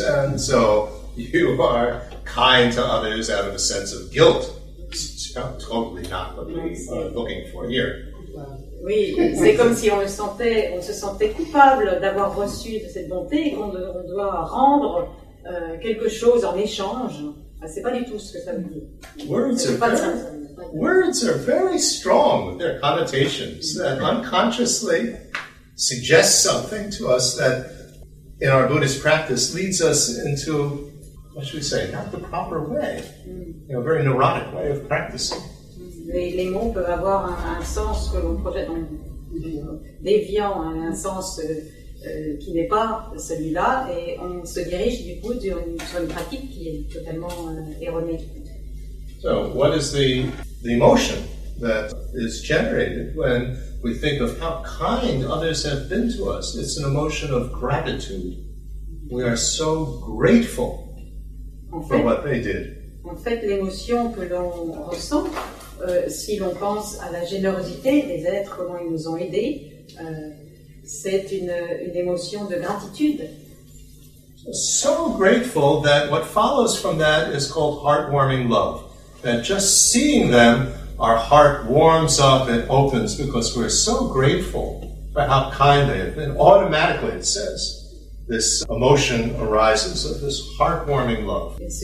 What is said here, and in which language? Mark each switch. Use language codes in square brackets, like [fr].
[en] And so you are kind to others out of a sense of guilt. It's totally not what we are looking for here. [fr] Oui, c'est comme si on se sentait coupable d'avoir reçu de cette bonté et qu'on doit rendre quelque chose en échange. C'est pas du tout ce que ça veut dire. [en] Words are very strong with their connotations that unconsciously suggest something to us that in our Buddhist practice leads us into, what should we say, not the proper way, a very neurotic way of practicing. [fr] Les mots peuvent avoir un sens que l'on projette en déviant, un sens qui n'est pas celui-là, et on se dirige du coup sur une pratique qui est totalement erronée. [en] So, what is the emotion that is generated when we think of how kind others have been to us? It's an emotion of gratitude. We are so grateful for what they did. [fr] En fait, l'émotion que l'on ressent, si l'on pense à la générosité des êtres, comment ils nous ont aidés, c'est une émotion de gratitude. [en] So grateful that what follows from that is called heartwarming love. That just seeing them, our heart warms up and opens because we're so grateful for how kind they have been. Automatically, it says, this emotion arises of this heartwarming love.